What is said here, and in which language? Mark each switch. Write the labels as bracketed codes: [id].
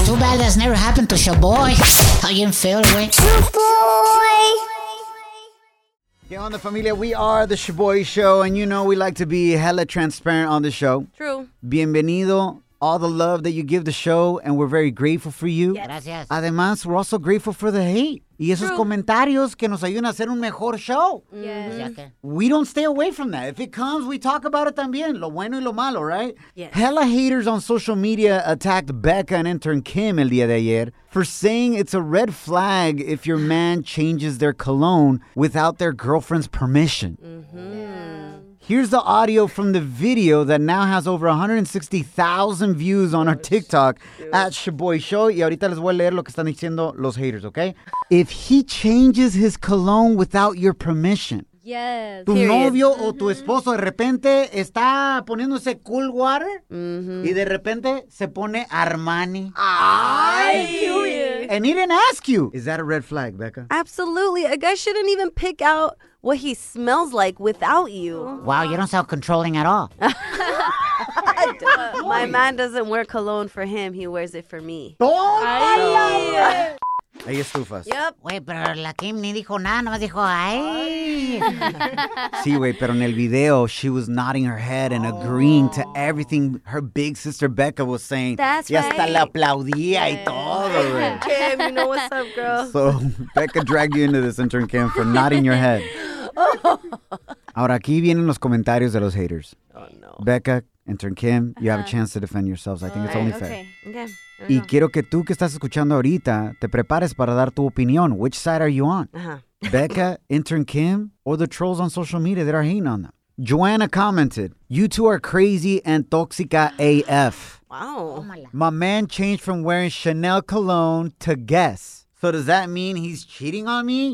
[en] Too bad that's never happened to Shaboy. How you feel, right? Shaboy. Yo, on the familia, we are the Shaboy Show, and you know we like to be hella transparent on the show. True. [es] Bienvenido, [en] all the love that you give the show, and we're very grateful for you. [es] Gracias. Además, [en] we're also grateful for the hate. [es] Y esos comentarios que nos ayudan a hacer un mejor show. [en] Yes. We don't stay away from that. If it comes, we talk about it [es] también. Lo bueno y lo malo, [en] right? Yes. Hella haters on social media attacked Becca and intern Kim [es] el día de ayer [en] for saying it's a red flag if your man changes their cologne without their girlfriend's permission. Here's the audio from the video that now has over 160,000 views on our TikTok at Shaboy Show. [es] Y ahorita les voy a leer lo que están diciendo los haters, okay? [en] If he changes his cologne without your permission. Yes. [es] Tu novio o tu esposo de repente está poniéndose cool water y de repente se pone Armani. [en] Ay, cute. And he didn't ask you. Is that a red flag, Becca? Absolutely. A guy shouldn't even pick out what he smells like without you. Wow, you don't sound controlling at all. My man doesn't wear cologne for him. He wears it for me. Oh, I love it. [es] Hay estufas. [en] Yep. [es] Güey, pero la Kim ni dijo nada, nomás dijo, ¡ay! Sí, güey, pero en el video, [en] she was nodding her head and agreeing to everything her big sister Becca was saying. That's right. [es] Y hasta la aplaudía y todo, güey. [en] Kim, you know what's up, girl. So, Becca dragged you into this intern, Kim, for nodding your head. [es] Ahora, aquí vienen los comentarios de los haters. [en] Oh, no. Becca, intern Kim, you have a chance to defend yourselves. I think it's only fair. Okay. [es] Y quiero que tú que estás escuchando ahorita te prepares para dar tu opinión. [en] Which side are you on? Uh-huh. Becca, intern Kim, or the trolls on social media that are hating on them? Joanna commented, "You two are crazy and toxica AF." Wow. Oh, my man changed from wearing Chanel cologne to Guess. So does that mean he's cheating on me?